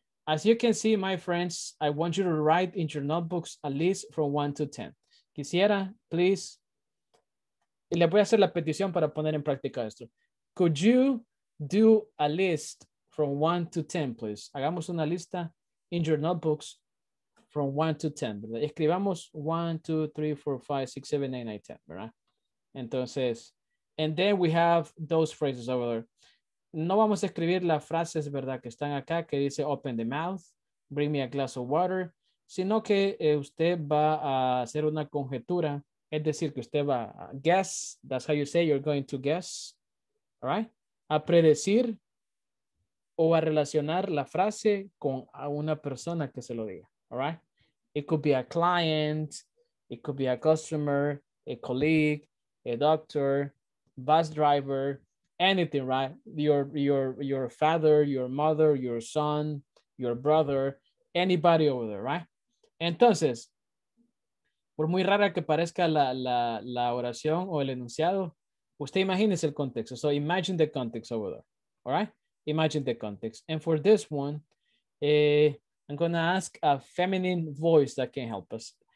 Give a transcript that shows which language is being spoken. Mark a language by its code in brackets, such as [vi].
[en] As you can see, my friends, I want you to write in your notebooks at least from 1 to 10. [es] Quisiera, please. Y le voy a hacer la petición para poner en práctica esto. [en] Could you do a list from 1 to 10, please? [es] Hagamos una lista [en] in your notebooks from 1 to 10. ¿Verdad? [es] Escribamos 1, 2, 3, 4, 5, 6, 7, 8, 9, 10. ¿Verdad? [en] Entonces, and then we have those phrases over there. [es] No vamos a escribir las frases, ¿verdad? Que están acá, que dice [en] open the mouth, bring me a glass of water. [es] Sino que usted va a hacer una conjetura. Es decir, que usted va a guess. [en] That's how you say you're going to guess. All right. [es] A predecir o a relacionar la frase con a una persona que se lo diga. [en] All right. It could be a client. It could be a customer, a colleague, a doctor, bus driver, anything, right? Your father, your mother, your son, your brother, anybody over there, right? [es] Entonces, por muy rara que parezca la oración o el enunciado, usted imagínese el contexto. [en] So imagine the context over there, all right? Imagine the context. And for this one, I'm going to ask a feminine voice that can help us.